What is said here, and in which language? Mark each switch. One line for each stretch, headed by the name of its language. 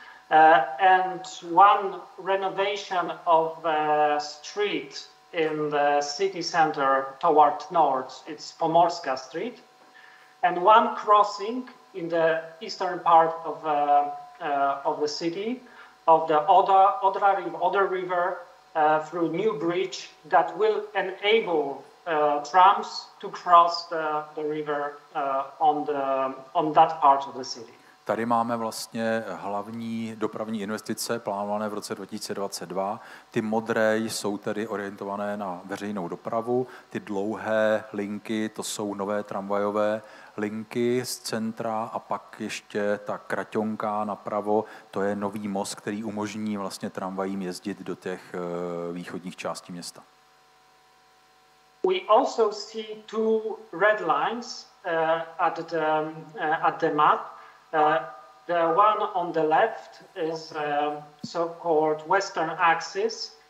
English: And one renovation of a street in the city center toward north, it's Pomorska Street, and one crossing in the eastern part of the city, of the Oder River, through new bridge that will enable trams to cross the river on that part of the city.
Czech: Tady máme vlastně hlavní dopravní investice plánované v roce 2022. Ty modré jsou tedy orientované na veřejnou dopravu. Ty dlouhé linky, to jsou nové tramvajové linky z centra a pak ještě ta kraťonka napravo, to je nový most, který umožní vlastně tramvajím jezdit do těch východních částí města.
English: We also see two red lines at the map. The one on the left is so-called western axis.